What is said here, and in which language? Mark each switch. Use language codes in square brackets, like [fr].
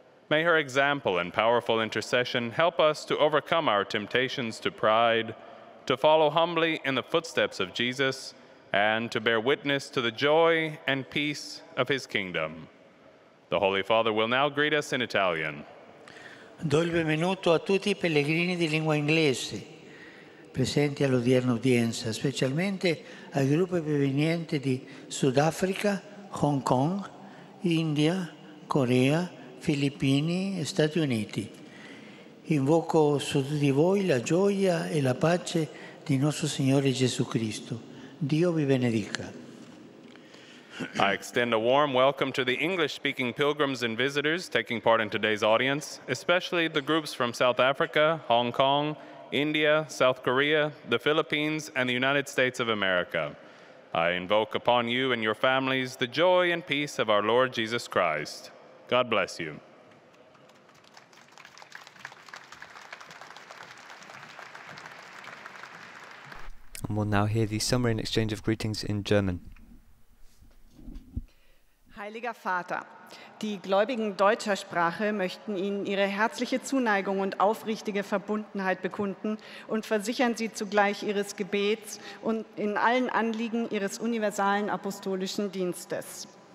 [en] May her example and powerful intercession help us to overcome our temptations to pride, to follow humbly in the footsteps of Jesus, and to bear witness to the joy and peace of his kingdom. The Holy Father will now greet us in Italian. [it] Do il benvenuto a tutti i pellegrini di lingua inglese presenti all'odierna udienza, specialmente ai gruppi provenienti di Sudafrica, Hong Kong, India, Corea, Filippini e Stati Uniti. Invoco su di voi la gioia e la pace di nostro Signore Gesù Cristo. Dio vi benedica. [en] I extend a warm welcome to the English-speaking pilgrims and visitors taking part in today's audience, especially the groups from South Africa, Hong Kong, India, South Korea, the Philippines, and the United States of America. I invoke upon you and your families the joy and peace of our Lord Jesus Christ. God bless you. And we'll now hear the summary and exchange of greetings in German. [de] Heiliger Vater, die Gläubigen deutscher Sprache möchten Ihnen ihre herzliche Zuneigung und aufrichtige Verbundenheit bekunden und versichern Sie zugleich Ihres Gebets und in allen Anliegen Ihres universalen apostolischen Dienstes.